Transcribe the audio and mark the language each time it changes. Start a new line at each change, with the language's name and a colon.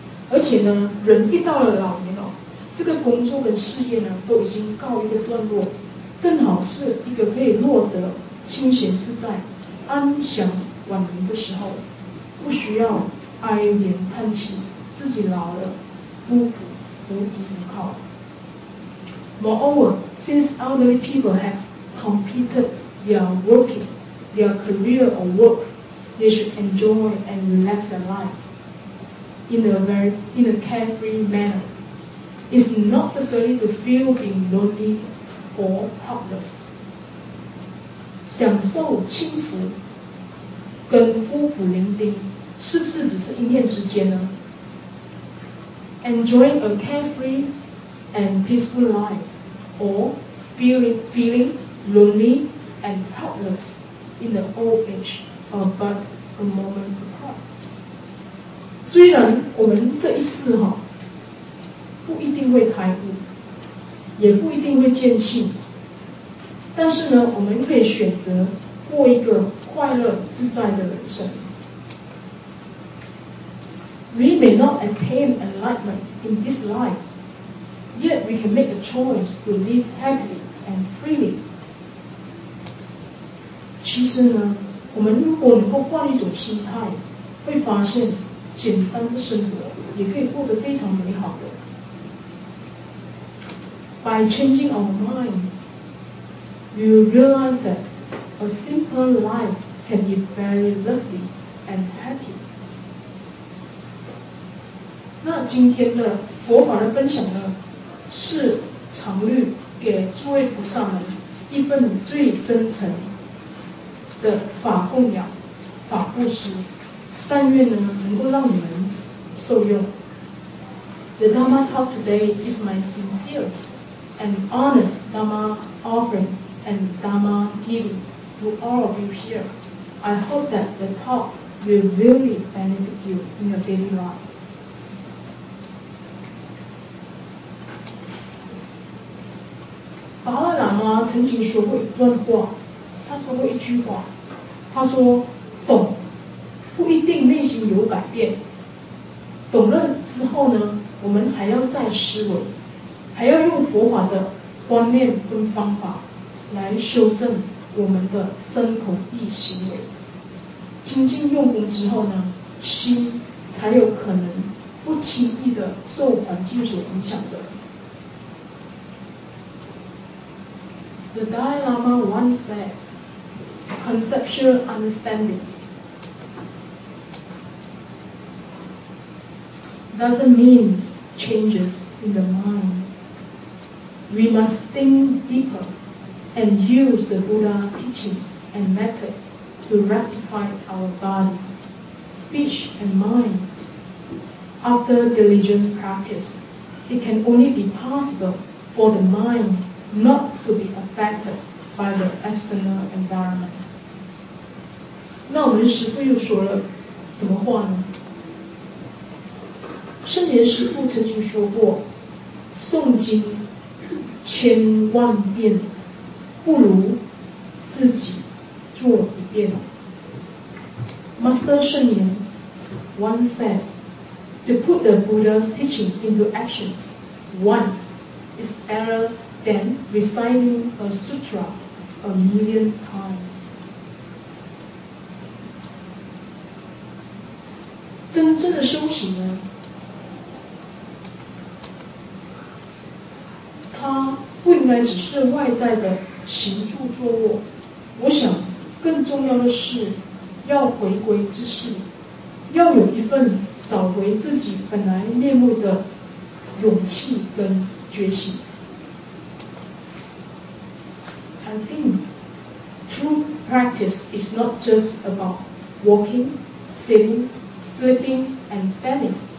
Chinese: 而且呢，人一到了老年哦，这个工作跟事业呢都已经告一个段落，正好是一个可以落得清闲自在、安详晚年的时候，不需要哀怨叹气，自己老了孤苦无依无靠。
English: Moreover, since elderly people have completed their working, their career or work, they should enjoy and relax their life. In a carefree manner. It's not necessary to feel being lonely or helpless.
Chinese: 享受轻浮跟夫妇伶仃是不是只是一念之间呢？
English: Enjoying a carefree and peaceful life or feeling lonely and helpless in the old age or but a moment apart.
Chinese: 虽然我们这一世不一定会开悟，也不一定会见性，但是呢，我们可以选择过一个快乐自在的人生。
English: We may not attain enlightenment in this life, yet we can make a choice to live happily and freely.
Chinese: 其实呢，我们如果能够换一种心态，会发现简单的生活也可以过得非常美好的。
English: By changing our mind, we will realize that a simple life can be very lovely and happy.
Chinese: 那今天的佛法的分享呢，是常律给诸位菩萨们一份最真诚的法供养、法布施，但愿呢能够让你们受用。
English: The Dharma talk today is my sincere and honest Dharma offering and Dharma giving to all of you here. I hope that the talk will really benefit you in your daily life.
Chinese: Dalai Lama 曾经说过一段话，他说过一句话，他说懂不一定内心有改变，懂了之后呢，我们还要再思维，还要用佛法的观念跟方法来修正我们的身口意行为，精进用功之后呢，心才有可能不轻易的受环境所影响的。
English: The Dalai Lama once said, "Conceptual understanding doesn't mean changes in the mind." We must think deeper and use the Buddha teaching and method to rectify our body, speech and mind. After diligent practice, it can only be possible for the mind not to be affected by the external environment.
Chinese: 那我们师父又说了什么话呢？圣严师父曾经说过，诵经千万遍不如自己做一遍。
English: Master 圣严 once said, to put the Buddha's teaching into actions once is better than reciting a sutra a million times.
Chinese: 真正的修行呢，它不应该只是外在的行住坐卧，我想更重要的是要回归自性，要有一份找回自己本来面目的勇气跟决心。
English: I think true practice is not just about walking, sitting, sleeping and standing.